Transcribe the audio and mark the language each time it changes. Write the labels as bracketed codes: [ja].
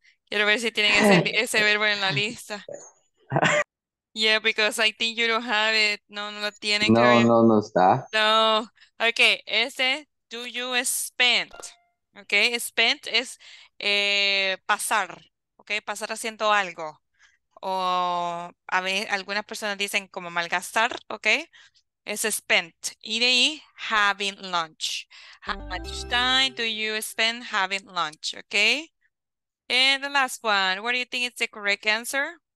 [es] Quiero ver si tienen ese verbo en la lista. [en] Yeah, because I think you don't have it. [es] No, no lo tienen. No, Karen. No, no está. [en] No. Okay, ese do you spent. [es] Okay, spent es pasar. Okay, pasar haciendo algo. O a veces algunas personas dicen como malgastar, ¿ok? Es spent. Y de ahí, having lunch. [en] How much time do you spend having lunch, ¿ok? And the last one, what do you think is the correct answer?